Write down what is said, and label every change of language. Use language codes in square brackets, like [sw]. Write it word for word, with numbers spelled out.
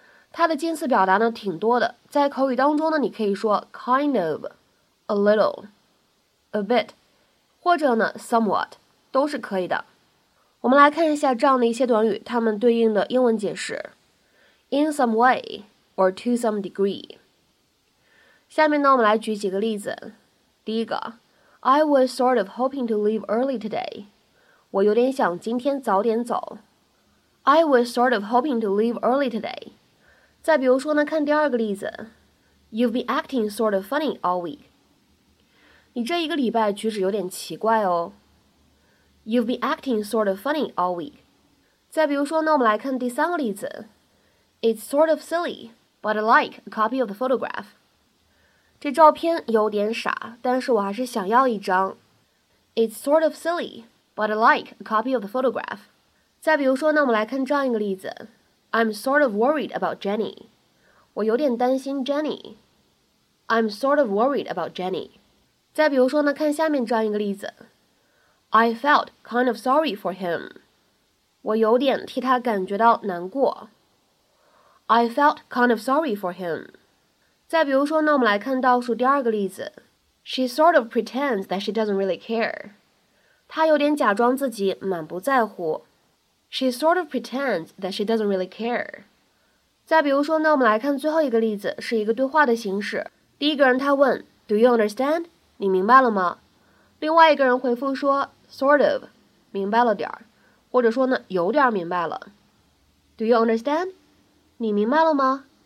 [zh] 它的近似表达呢挺多的，在口语当中呢，你可以说 [en] kind of, a little, a bit， [zh] 或者呢 somewhat 都是可以的。我们来看一下这样的一些短语，它们对应的英文解释 ： [en] in some way or to some degree。 [zh] 下面呢，我们来举几个例子。第一个 [en] ，I was sort of hoping to leave early today。 [zh] 我有点想今天早点走。 [en] I was sort of hoping to leave early today. [zh] 再比如说呢，看第二个例子 [en] ，You've been acting sort of funny all week. [zh] 你这一个礼拜举止有点奇怪哦。 [en] You've been acting sort of funny all week. [zh] 再比如说呢，我们来看第三个例子 [en] ，It's sort of silly, but I like a copy of the photograph. [zh] 这照片有点傻，但是我还是想要一张。 [en] It's sort of silly, but I like a copy of the photograph. [zh] 再比如说呢，我们来看这样一个例子 ： [en] I'm sort of worried about Jenny. [zh] 我有点担心 Jenny. [en] I'm sort of worried about Jenny. [zh] 再比如说呢，看下面这样一个例子 ： [en] I felt kind of sorry for him. [zh] 我有点替他感觉到难过。 [en] I felt kind of sorry for him. [zh] 再比如说呢，我们来看倒数第二个例子 [en] ：She sort of pretends that she doesn't really care. [zh] 她有点假装自己满不在乎。 [en] She sort of pretends that she doesn't really care. [zh] 再比如说呢，我们来看最后一个例子，是一个对话的形式。第一个人他问 [en] Do you understand? [zh] 你明白了吗？另外一个人回复说 [en] Sort of [zh] 明白了点儿，或者说呢有点明白了。 [en] Do you understand? [zh] 你明白了吗？